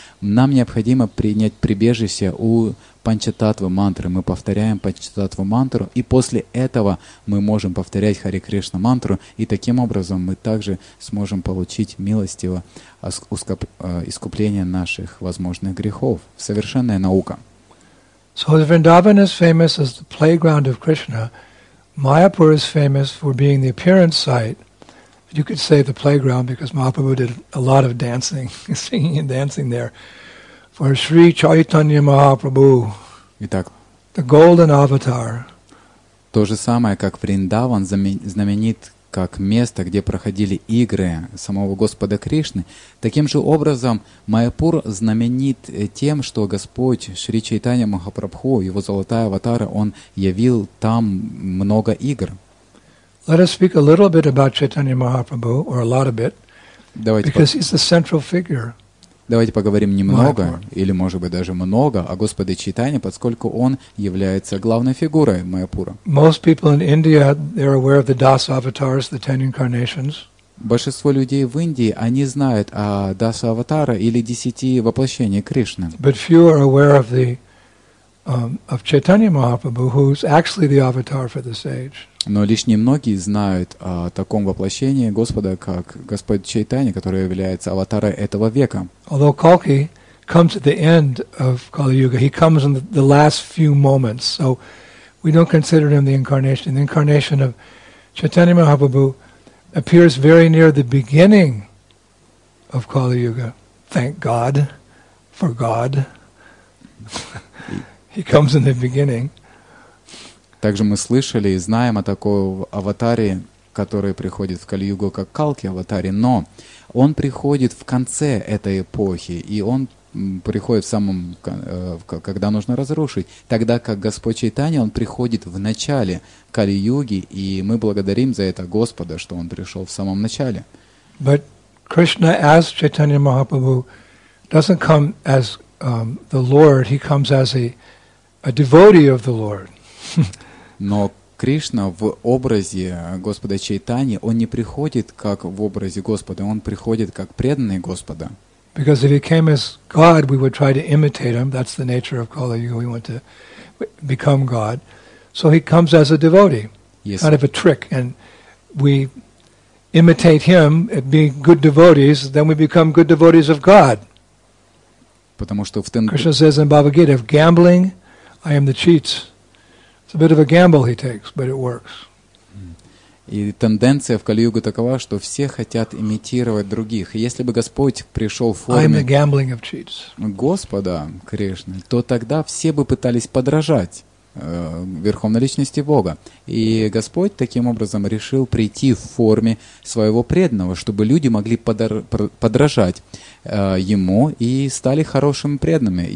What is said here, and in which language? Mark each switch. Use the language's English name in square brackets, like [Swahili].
[Russian] Нам необходимо принять прибежище у Панчататва мантры. Мы повторяем Панчататва мантру, и после этого мы можем повторять Хари Кришна мантру, и таким образом мы также сможем получить милостиво искупление наших возможных грехов. Совершенная наука. [English] So the Vrindavan is famous as the playground of Krishna. Mayapur is famous for being the appearance site. You could say the playground because Mahaprabhu did a lot of dancing, singing and dancing there. For Sri Chaitanya Mahaprabhu, [Russian] Итак, [English] the golden avatar. [Russian] То же самое, как Вриндаван знаменит как место, где проходили игры самого Господа Кришны. Таким же образом, Майяпур знаменит тем, что Господь Шри Чайтанья Махапрабху, его золотая аватара, он явил там много игр. [English] Let us speak a little bit about Chaitanya Mahaprabhu, or a lot of bit, because he's the central figure. [Russian] Давайте поговорим немного, или может быть даже много, о Господе Чайтанье, поскольку он является главной фигурой Майяпура. [English] Most people in India, they're aware of the Das avatars, the 10 incarnations. [Russian] Большинство людей в Индии, они знают о Даса аватара или 10 воплощений Кришны. [English] But few are aware of the of Chaitanya Mahaprabhu, who's actually the avatar for this age. [Russian] Но лишь немногие знают о таком воплощении Господа, как Господь Чайтанья, который является аватарой этого века. [English] Although Kalki comes at the end of Kali Yuga, he comes in the last few moments, so we don't consider him the incarnation. The incarnation of Chaitanya Mahaprabhu appears very near the beginning of Kali Yuga. Thank God for God. He comes in the beginning. [Russian] Также мы слышали и знаем о такой аватаре, который приходит в Кали-Югу как Калки аватаре, но он приходит в конце этой эпохи, и он приходит в самом, когда нужно разрушить, тогда как Господь Чайтанья, он приходит в начале Кали-Юги, и мы благодарим за это Господа, что он пришел в самом начале. [English] But Krishna as Chaitanya Mahaprabhu doesn't come as the Lord, he comes as a devotee of the Lord. [Russian] Но Кришна в образе Господа Чайтани, он не приходит как в образе Господа, он приходит как преданный Господа. [English] Because if he came as God, we would try to imitate him. That's the nature of Kali Yuga. We want to become God. So he comes as a devotee. Yes. Kind of a trick. And we imitate him at being good devotees, then we become good devotees of God. [Russian] Потому что в тем... [English] Krishna says in Bhagavad Gita, if gambling, I am the cheats. It's a bit of a gamble he takes, but it works. [Russian] И тенденция в Кали-Югу такова, что все хотят имитировать других. И если бы Господь пришел в форме Господа Кришны, то тогда все бы пытались подражать Верховной Личности Бога. И Господь таким образом решил прийти в форме своего преданного, чтобы люди могли подражать Ему и стали хорошими преданными.